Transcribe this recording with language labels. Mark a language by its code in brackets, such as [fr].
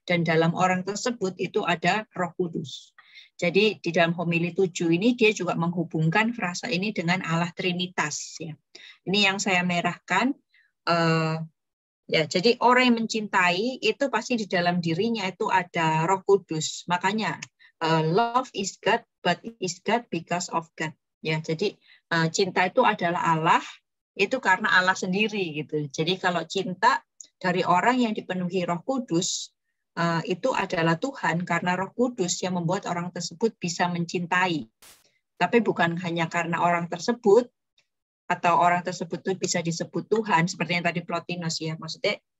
[id] Dan dalam orang tersebut itu ada Roh Kudus. Jadi di dalam homili 7 ini dia juga menghubungkan frasa ini dengan Allah Trinitas. Ya. Ini yang saya merahkan. Ya, jadi orang yang mencintai itu pasti di dalam dirinya itu ada Roh Kudus. Makanya [en] love is God, but is God because of God. [id] Ya, jadi cinta itu adalah Allah, itu karena Allah sendiri gitu. Jadi kalau cinta dari orang yang dipenuhi Roh Kudus itu adalah Tuhan karena Roh Kudus yang membuat orang tersebut bisa mencintai. Tapi bukan hanya karena orang tersebut atau orang tersebut itu bisa disebut Tuhan seperti yang tadi Plotinus ya maksudnya.